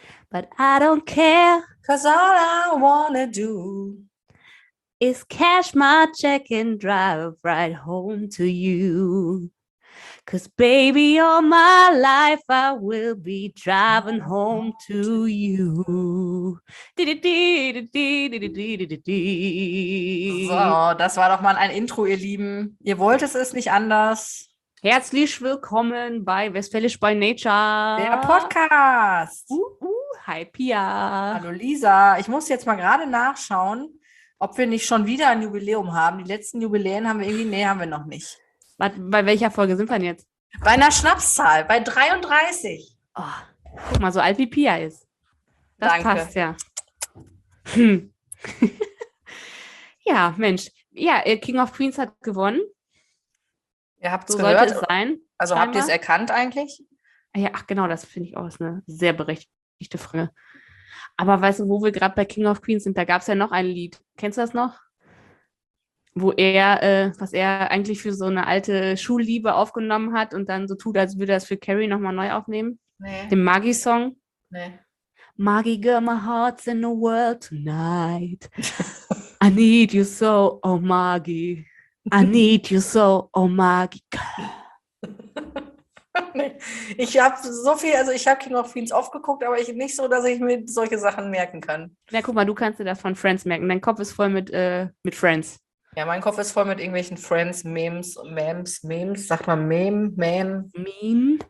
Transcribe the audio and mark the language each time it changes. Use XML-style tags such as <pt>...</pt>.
<en>But I don't care, 'cause all I wanna do is cash my check and drive right home to you. 'Cause baby, all my life I will be driving home to you.</en> <de>So, das war doch mal ein Intro, ihr Lieben. Ihr wollt es, ist nicht anders. Herzlich willkommen bei Westfälisch by Nature. Der Podcast. Hi Pia. Hallo Lisa. Ich muss jetzt mal gerade nachschauen, ob wir nicht schon wieder ein Jubiläum haben. Die letzten Jubiläen haben wir irgendwie, nee, haben wir noch nicht. Bei welcher Folge sind wir denn jetzt? Bei einer Schnapszahl, bei 33. Oh, guck mal, so alt wie Pia ist. Das Danke. Passt, ja. Ja, Mensch. Ja, King of Queens hat gewonnen. Ihr habt es so gehört. Sollte es sein. Also habt ihr es erkannt eigentlich? Ja, ach genau, das finde ich auch, ist eine sehr berechtigte Frage. Aber weißt du, wo wir gerade bei King of Queens sind, da gab es ja noch ein Lied. Kennst du das noch? Wo er, was er eigentlich für so eine alte Schulliebe aufgenommen hat und dann so tut, als würde er es für Carrie nochmal neu aufnehmen. Nee. Den Maggie-Song. Nee.</de> <en>Maggie, girl, my heart's in the world tonight. I need you so, oh Maggie. I need you so, oh Maggie, girl.</en> <de>Nee. Ich habe so viel, also ich habe King of Queens oft geguckt, aber ich nicht so, dass ich mir solche Sachen merken kann. Ja, guck mal, du kannst dir das von Friends merken. Dein Kopf ist voll mit Friends. Ja, mein Kopf ist voll mit irgendwelchen Friends, Memes, Memes, Memes, sagt man Meme, Mem. Meme.</de>